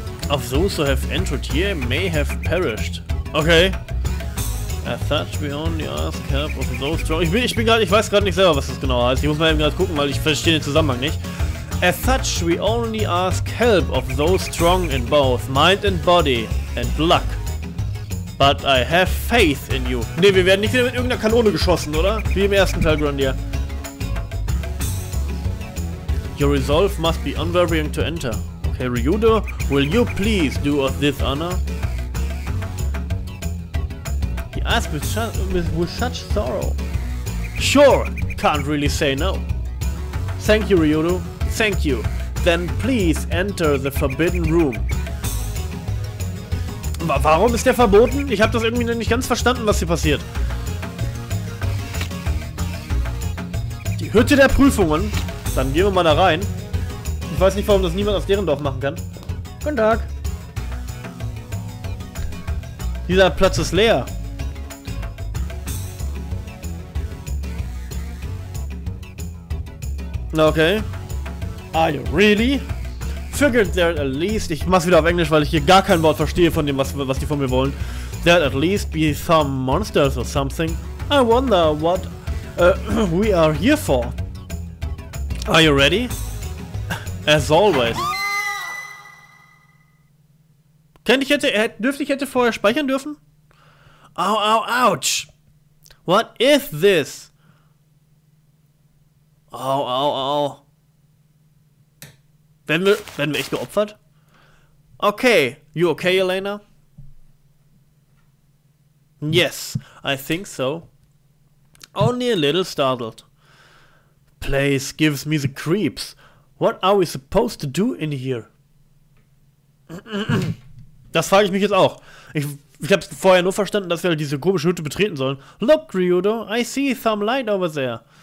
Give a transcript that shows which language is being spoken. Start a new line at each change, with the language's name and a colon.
English: Of those who have entered here may have perished. Okay. As such, we only ask help of those strong.
German: Ich weiß gerade nicht selber, was das genau heißt. Ich muss mal eben gerade gucken, weil ich verstehe den Zusammenhang nicht.
English: As such, we only ask help of those strong in both mind and body and luck. But I have faith in you.
German: Ne, wir werden nicht wieder mit irgendeiner Kanone geschossen, oder? Wie im ersten Teil, Grandia.
English: Your resolve must be unwavering to enter. Okay, Ryudo, will you please do us this honor? He asked with such sorrow. Sure, can't really say no. Thank you, Ryudo. Thank you. Then please enter the forbidden room.
German: Warum ist der verboten? Ich habe das irgendwie nicht ganz verstanden, was hier passiert. Die Hütte der Prüfungen. Dann gehen wir mal da rein. Ich weiß nicht, warum das niemand aus deren Dorf machen kann. Guten Tag. Dieser Platz ist leer.
English: Okay. Are you really? Figured there at least.
German: Ich mach's wieder auf Englisch, weil ich hier gar kein Wort verstehe von dem, was die von mir wollen.
English: There at least be some monsters or something. I wonder what we are here for. Are you ready? As always.
German: Dürfte ich hätte vorher speichern dürfen? Ow, ow, ouch!
English: What is this? Ow, ow, ow.
German: Werden wir echt geopfert? Okay.
English: You okay, Elena? Yes, I think so. Only a little startled. Place gives me the creeps. What are we supposed to do in here?
German: Das frage ich mich jetzt auch. Ich habe es vorher nur verstanden, dass wir diese komische Hütte betreten sollen.
English: Look, Ryudo, I see some light over there.